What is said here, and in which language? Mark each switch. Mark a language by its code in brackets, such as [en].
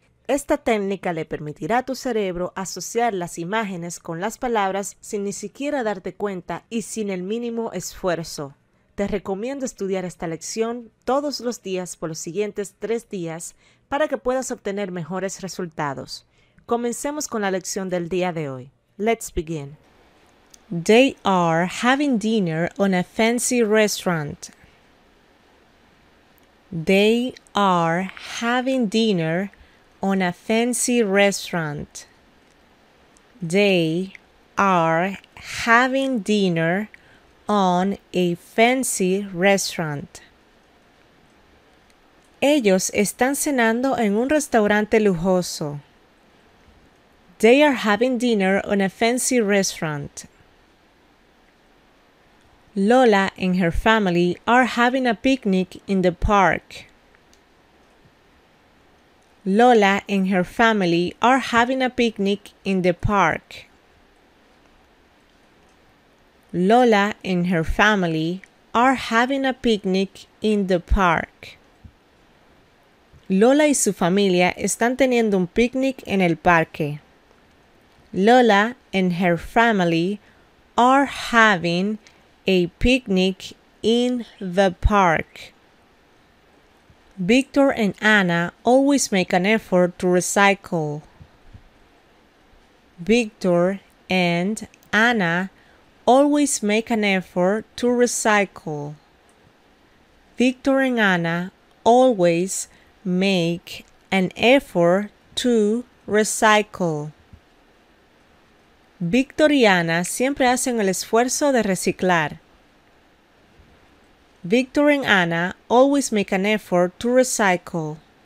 [es] Esta técnica le permitirá a tu cerebro asociar las imágenes con las palabras sin ni siquiera darte cuenta y sin el mínimo esfuerzo. Te recomiendo estudiar esta lección todos los días por los siguientes 3 días para que puedas obtener mejores resultados. Comencemos con la lección del día de hoy. [en] Let's begin. They are having dinner in a fancy restaurant. They are having dinner in a fancy restaurant. They are having dinner on a fancy restaurant. [es] Ellos están cenando en un restaurante lujoso. [en] They are having dinner in a fancy restaurant. Lola and her family are having a picnic in the park. Lola and her family are having a picnic in the park. Lola and her family are having a picnic in the park. [es] Lola y su familia están teniendo un picnic en el parque. [en] Lola and her family are having a picnic in the park. Victor and Anna always make an effort to recycle. Victor and Anna always make an effort to recycle. Victor and Anna always make an effort to recycle. [es] Victor y Anna siempre hacen el esfuerzo de reciclar. [en] Victor and Anna always make an effort to recycle.